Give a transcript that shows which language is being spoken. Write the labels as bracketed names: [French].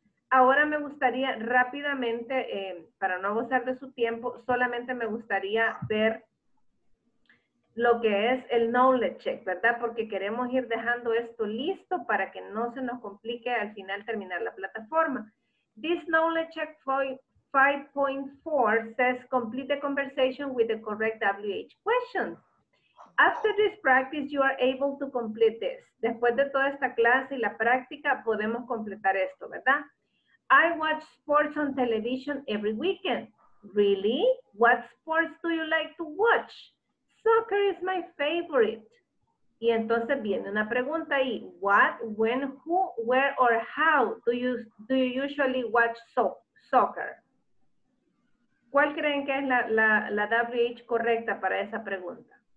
[Spanish] Ahora me gustaría rápidamente, para no abusar de su tiempo, solamente me gustaría ver lo que es el knowledge check, ¿verdad? Porque queremos ir dejando esto listo para que no se nos complique al final terminar la plataforma. [English] This knowledge check 5.4 says complete the conversation with the correct WH questions. After this practice, you are able to complete this. [Spanish] Después de toda esta clase y la práctica, podemos completar esto, ¿verdad? [English] I watch sports on television every weekend. Really? What sports do you like to watch? Soccer is my favorite. [Spanish] Y entonces viene una pregunta ahí. [English] What, when, who, where, or how do you usually watch soccer? [Spanish] ¿Cuál creen que es la WH correcta para esa pregunta?